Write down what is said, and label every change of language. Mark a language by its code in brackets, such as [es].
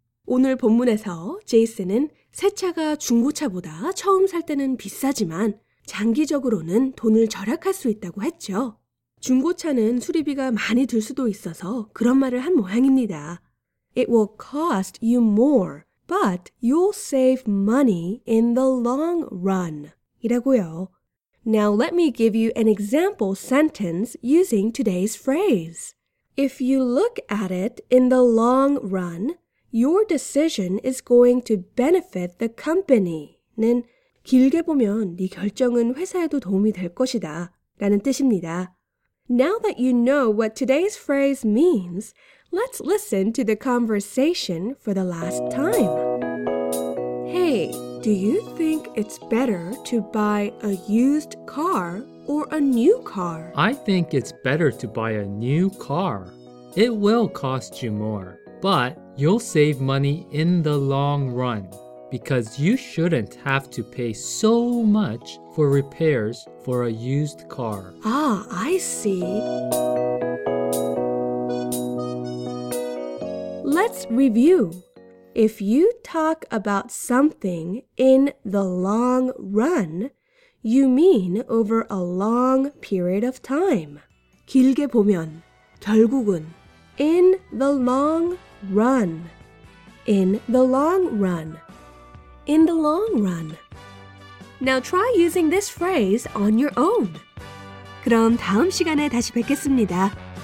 [ko] 오늘 본문에서 제이슨은 새 차가 중고차보다 처음 살 때는 비싸지만 장기적으로는 돈을 절약할 수 있다고 했죠. 중고차는 수리비가 많이 들 수도 있어서 그런 말을 한 모양입니다. [en] It will cost you more, but you'll save money in the long run. [ko] 이라고요. [en] Now let me give you an example sentence using today's phrase. If you look at it in the long run, your decision is going to benefit the company. [ko] 는 길게 보면 네 결정은 회사에도 도움이 될 것이다 라는 뜻입니다. [en] Now that you know what today's phrase means, let's listen to the conversation for the last time. Hey, do you think it's better to buy a used car or a new car? I think it's better to buy a new car. It will cost you more, but you'll save money in the long run because you shouldn't have to pay so much for repairs for a used car. Ah, I see. Let's review. If you talk about something in the long run, you mean over a long period of time. [ko] 길게 보면, 결국은. [en] In the long run. In the long run. In the long run. Now try using this phrase on your own. [ko] 그럼 다음 시간에 다시 뵙겠습니다.